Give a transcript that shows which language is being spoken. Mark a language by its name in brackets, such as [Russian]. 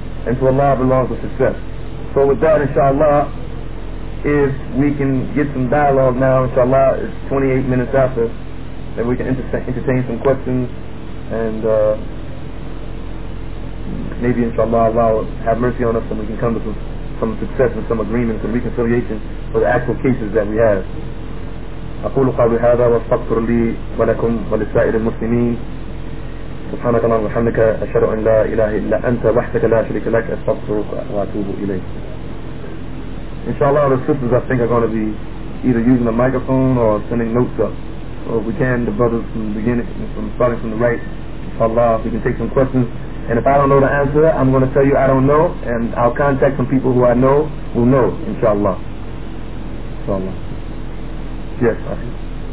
[English] And to Allah belongs the success. So with that, inshallah, if we can get some dialogue now, inshallah, it's 28 minutes after, then we can entertain some questions, and maybe inshallah Allah will have mercy on us and we can come to some success and some agreement, some reconciliation for the actual cases that we have. [Arabic] أقول قولي هذا واستغفر لي ولكم ولسائر المسلمين سبحانك اللهم وبحمدك أشهد أن لا إله إلا أنت وحدك لا شريك لك أستغفرك وأتوب إليك. [English] Inshallah, the sisters, I think, are going to be either using the microphone or sending notes up. Or if we can, the brothers from the beginning, from starting from the right, inshallah, if we can take some questions. And if I don't know the answer, I'm going to tell you I don't know, and I'll contact some people who I know who know, inshallah. Inshallah. Yes, I see.